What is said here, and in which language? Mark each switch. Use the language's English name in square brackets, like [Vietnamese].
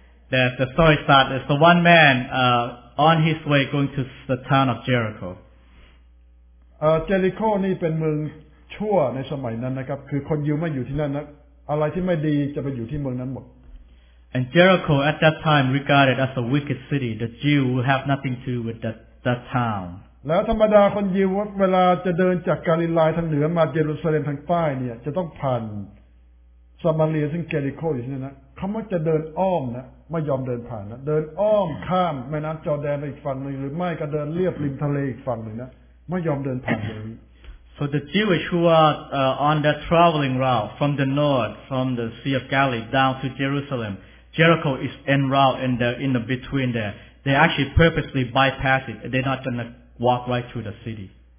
[English] The story starts as the one man on his way going to the town of Jericho. Jericho is a town in the time of Jericho. And Jericho at that time regarded as a wicked city. The Jew would have nothing to do with that town. [Thai] แล้ว ธรรมดา คน ยิว เวลา จะ เดิน จาก กาลิลาย ทาง เหนือ มา เยรูซาเล็ม ทาง ใต้ เนี่ย จะ ต้อง ผ่าน ซามาเรีย ซึ่ง เจริโค อยู่ ที่ นั่น นะ เค้า จะ เดิน อ้อม นะ ไม่ ยอม เดิน ผ่าน นะ เดิน อ้อม ข้าม แม่ น้ำ จอร์แดน ไป อีก ฝั่ง นึง หรือ ไม่ ก็ เดิน เลียบ ริม ทะเล อีก ฝั่ง นึง นะ ไม่ ยอม เดิน ผ่าน เลย [English] So the Jewish who are on that traveling route from the north, from the Sea of Galilee down to Jerusalem, Jericho is en route in the between there. They actually purposely bypass it. They're not going to walk right through the city.